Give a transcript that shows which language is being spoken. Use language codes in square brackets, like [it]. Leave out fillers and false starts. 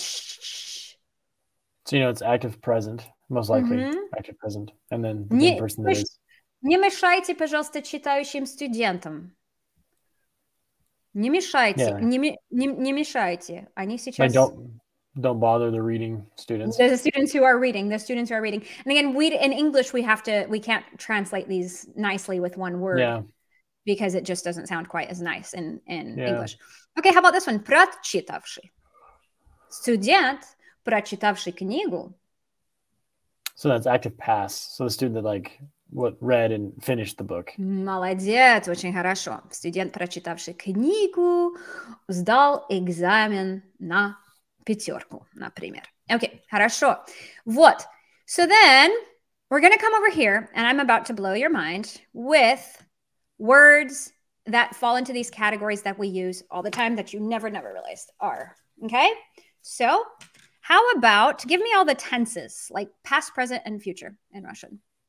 [en] So you know it's active present, most likely. Mm-hmm. Active present. And then the person that is. [ru] Не мешайте, пожалуйста, читающим студентам. Не мешайте. Yeah. Не мешайте. Они сейчас... [en] Don't bother the reading students. The students who are reading. And again, we can't translate these nicely with one word. Yeah. Because it just doesn't sound quite as nice in English. Okay, how about this one? Прочитавший. [ru] Студент, прочитавший книгу. [en] So that's active past. So the student that read and finished the book. [ru] Молодец, очень хорошо. Студент, прочитавший книгу, сдал экзамен на... Пятерку, например. Okay, хорошо. Вот. [en] So then we're going to come over here, and I'm about to blow your mind with words that fall into these categories that we use all the time that you never realized are. Okay? So how about give me all the tenses, like past, present, and future in Russian.